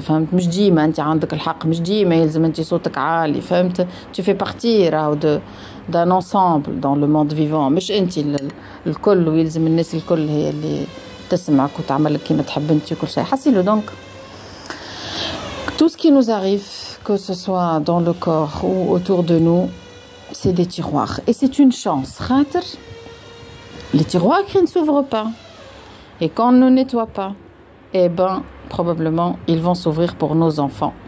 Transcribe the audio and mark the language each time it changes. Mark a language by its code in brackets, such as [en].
[ar] فهمت مش ديما انت عندك الحق، مش ديما يلزم انت صوتك عالي. [fr] فهمت؟ tu fais partie de d'un ensemble dans le monde vivant. [ar] مش انت الكل ويلزم الناس الكل هي اللي تسمعك وتعمل كيما تحب انت كل شيء. [fr] حاسيلو دونك tout ce qui nous arrive que ce soit dans le corps ou autour de nous c'est des tiroirs et c'est une chance. Khater les tiroirs qui ne s'ouvrent pas et quand on ne nettoie pas, eh ben probablement ils vont s'ouvrir pour nos enfants.